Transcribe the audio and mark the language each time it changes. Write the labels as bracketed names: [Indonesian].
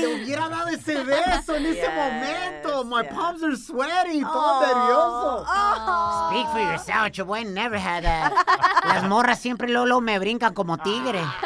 [Spanish] Te hubiera dado ese beso en ese momento. [English] My palms are sweaty. [Spanish] Todo nervioso. [English] Speak for yourself, your boy never had that. [Spanish] Las morras siempre lolo me brincan como tigre.